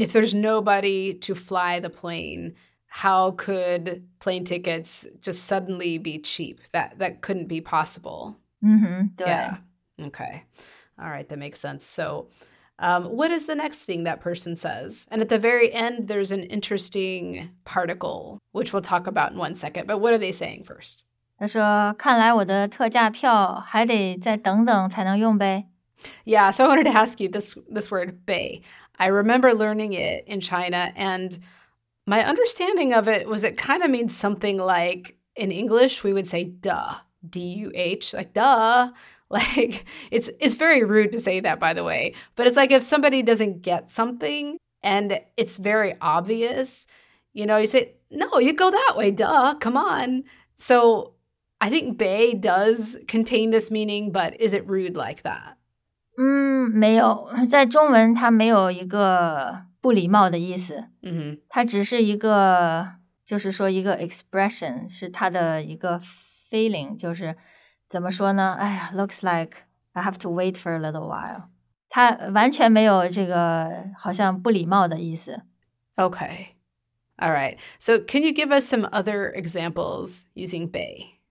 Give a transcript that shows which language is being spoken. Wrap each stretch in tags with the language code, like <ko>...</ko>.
<en>if there's nobody to fly the plane, how could plane tickets just suddenly be cheap? That couldn't be possible.</en> <zh>Mm-hmm. 对。</zh> <en>Yeah. Okay. All right. That makes sense. So what is the next thing that person says? And at the very end, there's an interesting particle, which we'll talk about in 1 second. But what are they saying first?</en> <zh>他说，看来我的特价票还得再等等才能用呗。</zh> <en>Yeah, so I wanted to ask you this word, 呗. I remember learning it in China, and my understanding of it was it kind of means something like, in English, we would say duh, D-U-H, like duh. Like, it's very rude to say that, by the way. But it's like if somebody doesn't get something and it's very obvious, you know, you say, no, you go that way, duh, come on. So I think bay does contain this meaning, but is it rude like that?</en> <zh>没有。在中文它没有一个不礼貌的意思。 Mm-hmm. 它只是一个就是说一个 expression, 是它的一个 feeling, 就是怎么说呢？</zh> <en>哎呀 ，looks like I have to wait for a little while.</en> <zh>它完全没有这个好像不礼貌的意思。</zh> <en>Okay, all right. So can you give us some other examples using bay?</en>